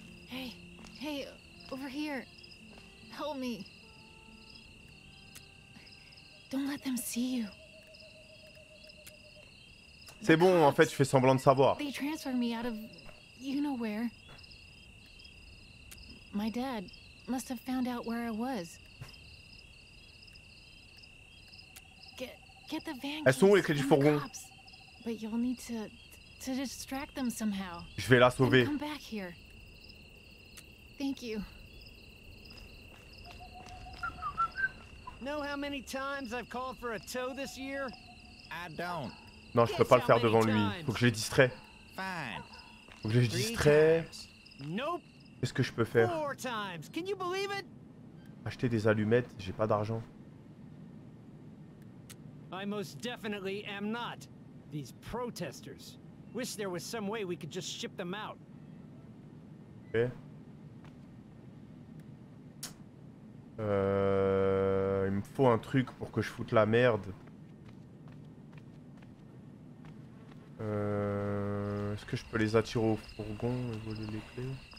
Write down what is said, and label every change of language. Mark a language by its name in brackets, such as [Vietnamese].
[English] Hey, hey, over here. Help me. Don't let them see you. [French] C'est bon, en fait, je fais semblant de savoir. [English] They transferred me out of... you know where. My dad must have found out where I was. Get the van. [French] Elles sont où les clés du fourgon? [English] But you'll need to distract them somehow. [French] Je vais la sauver. [English] Come back here. Thank you. Know how many times I've called for a tow this year? I don't. [French] Non, je peux pas le faire devant lui. Faut que je les distrais. [English] Fine. [French] Faut que je les distrais. [English] Nope. [French] Qu'est-ce que je peux faire? [English] Four times. Can you believe it? [French] Acheter des allumettes, j'ai pas d'argent. [English] I most definitely am not. These protesters. Wish there was some way we could just ship them out. Ok. [French] Il me faut un truc pour que je foute la merde. Est-ce que je peux les attirer au fourgon et voler les clés?